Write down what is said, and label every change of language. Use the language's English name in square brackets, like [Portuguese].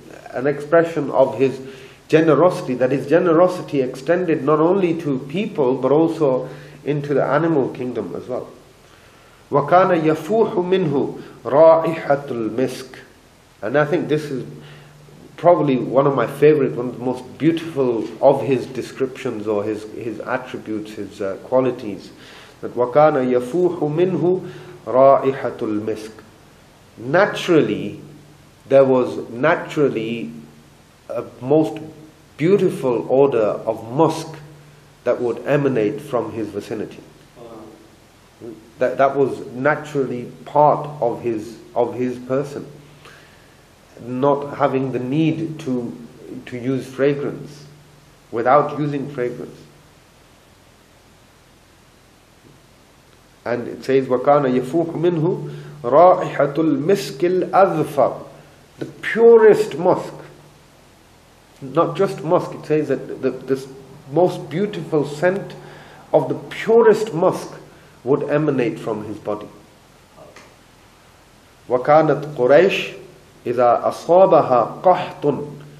[English] An expression of his generosity, that his generosity extended not only to people but also into the animal kingdom as well. [Arabic] وَكَانَ يَفُوحُ مِنْهُ رَائِحَةُ الْمِسْكِ. [English] And I think this is probably one of my favorite, one of the most beautiful of his descriptions or his attributes, his qualities. That [Arabic] وَكَانَ يَفُوحُ مِنْهُ رَائِحَةُ الْمِسْكِ. [English] Naturally, there was naturally a most beautiful odor of musk that would emanate from his vicinity. That was naturally part of his person. Not having the need to use fragrance, without using fragrance. And it says, [Arabic] وَكَانَ يَفُوحُ مِنْهُ رَائِحَةُ الْمِسْكِ الْأَذْفَرُ. [English] The purest musk. Not just musk, it says that this most beautiful scent of the purest musk would emanate from his body. [Arabic] وَكَانَتْ قُرَيْشْ إِذَا أَصَابَهَا قَحْطٌ.